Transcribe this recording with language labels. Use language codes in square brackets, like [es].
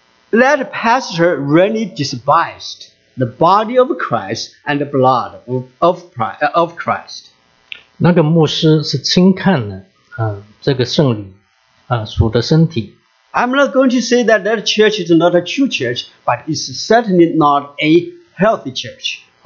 [en] That pastor really despised the body of Christ and the blood of Christ. [zh] 那个牧师是轻看了这个圣礼属的身体。 [en] I'm not going to say that that church is not a true church, but it's certainly not a healthy church.